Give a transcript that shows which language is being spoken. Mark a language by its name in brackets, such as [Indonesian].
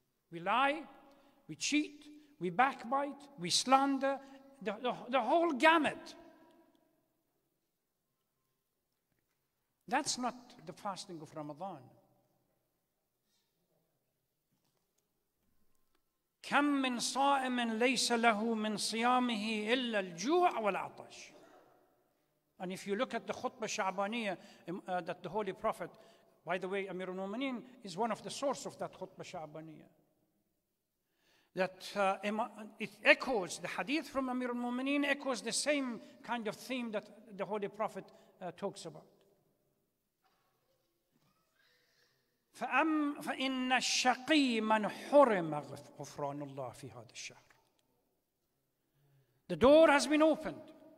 [English] We lie, we cheat, we backbite, we slander, the whole gamut. That's not the fasting of Ramadan. [Arabic] كم من صائم ليس له من صيامه إلا الجوع والعطش. [English] And if you look at the khutbah sha'baniya that the Holy Prophet, by the way, Amir al-Mu'mineen is one of the source of that khutbah sha'baniya. That it echoes, the hadith from Amir al-Mu'mineen echoes the same kind of theme that the Holy Prophet talks about. [Arabic] فَإِنَّ الشَّقِي مَنْ حُرِمَ غُفْرَانُ اللَّهِ فِي هَذَا الشَّهْرِ. [English] The door has been opened.